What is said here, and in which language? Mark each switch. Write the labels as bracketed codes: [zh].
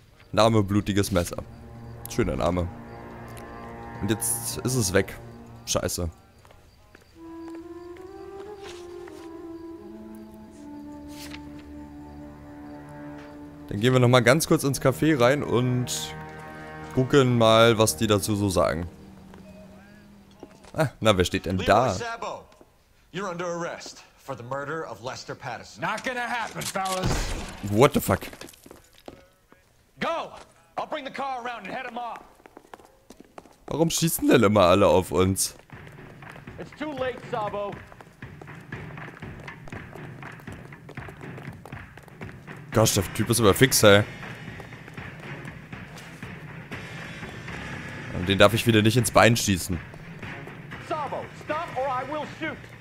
[de] Name blutiges Messer. Schöner Name. Und jetzt ist es weg. Scheiße. Dann gehen wir nochmal ganz kurz ins Café rein und gucken mal, was die dazu so sagen. Ah, na, wer steht denn da? [en] Sabo, you're under arrest for the murder of Lester Patterson. Not gonna happen, fellas. What the fuck? Go! I'll bring the car around and head him off. [de] Warum schießen denn immer alle auf uns? [en] It's too late, Sabo. [de] Gosh, der Typ ist aber fix, ey. Und den darf ich wieder nicht ins Bein schießen. [en] Sabo, stop or I will shoot.